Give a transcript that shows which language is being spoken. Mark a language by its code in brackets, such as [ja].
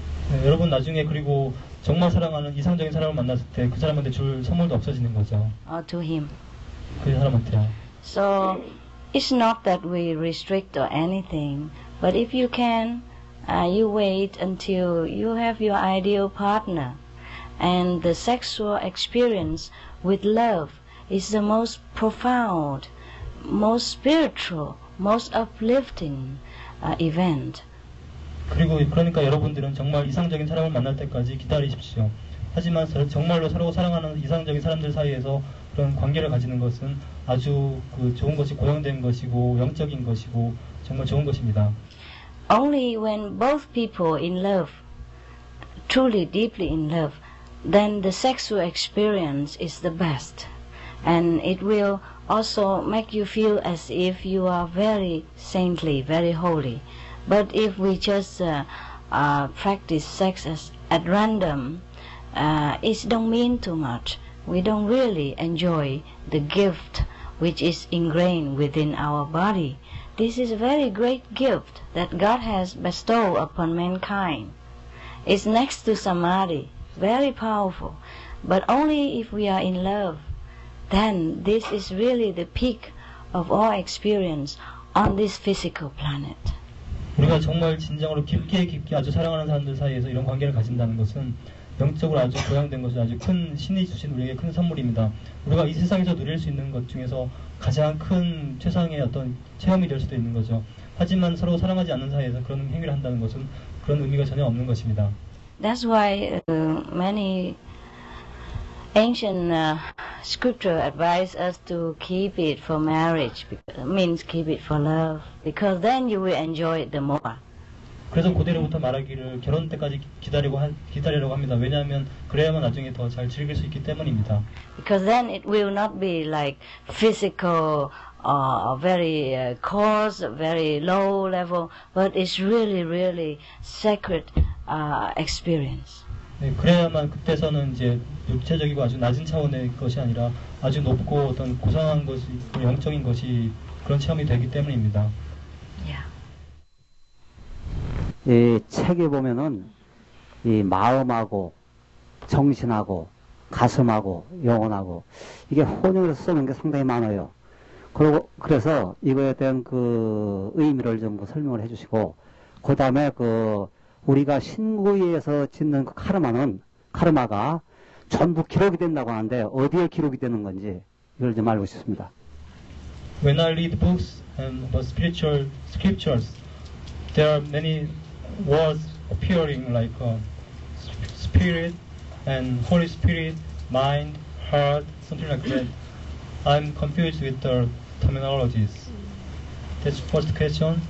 [ko] 네, 여러분 나중에 그리고 정말 사랑하는 이상적인 사람을 만났을 때 그 사람한테 줄 선물도 없어지는 거죠. [en] Or to him. [ko] 그 사람한테요. [en] So it's not that we restrict or anything, but if you can, you wait until you have your ideal partner, and the sexual experience with love is the most profound, most spiritual, most uplifting event. [ko] 그리고 그러니까 여러분들은 정말 이상적인 사람을 만날 때까지 기다리십시오. 하지만 정말로 서로 사랑하는 이상적인 사람들 사이에서 그런 관계를 가지는 것은 아주 그 좋은 것이 고양된 것이고 영적인 것이고 정말 좋은 것입니다. [en] Only when both people in love, truly deeply in love, then the sexual experience is the best. And it will also make you feel as if you are very saintly, very holy. But if we just practice sex at random, it don't mean too much. We don't really enjoy the gift which is ingrained within our body. This is a very great gift that God has bestowed upon mankind. It's next to samadhi, very powerful. But only if we are in love, then this is really the peak of all experience on this physical planet. [ko] 우리가 정말 진정으로 깊게 아주 사랑하는 사람들 사이에서 이런 관계를 가진다는 것은 영적으로 아주 고양된 것이 아주 큰 신이 주신 우리에게 큰 선물입니다. 우리가 이 세상에서 누릴 수 있는 것 중에서 가장 큰 최상의 어떤 체험이 될 수도 있는 거죠. 하지만 서로 사랑하지 않는 사이에서 그런 행위를 한다는 것은 그런 의미가 전혀 없는 것입니다. [en] That's why many ancient scripture advise us to keep it for marriage, because, means keep it for love, because then you will enjoy it the more. [ko] 그래서 고대로부터 말하기를 결혼 때까지 기다리려고 합니다. 왜냐하면 그래야만 나중에 더 잘 즐길 수 있기 때문입니다. [en] Because then it will not be like physical very coarse, very low level, but it's really, really sacred experience. [ko] 네, 그래야만 그때서는 이제 육체적이고 아주 낮은 차원의 것이 아니라 아주 높고 어떤 고상한 것이 영적인 것이 그런 체험이 되기 때문입니다. 이 책에 보면은 이 마음하고 정신하고 가슴하고 영혼하고 이게 혼용해서 쓰는 게 상당히 많아요. 그리고 그래서 이거에 대한 그 의미를 전부 설명을 해주시고 그 다음에 그 우리가 신구에서 짓는 그 카르마는 카르마가 전부 기록이 된다고 하는데 어디에 기록이 되는 건지 이걸 좀 알고 싶습니다. [en] When I read books and the spiritual scriptures, there are many words appearing like spirit and Holy Spirit, mind, heart, something like that. I'm confused with the terminologies. That's the first question.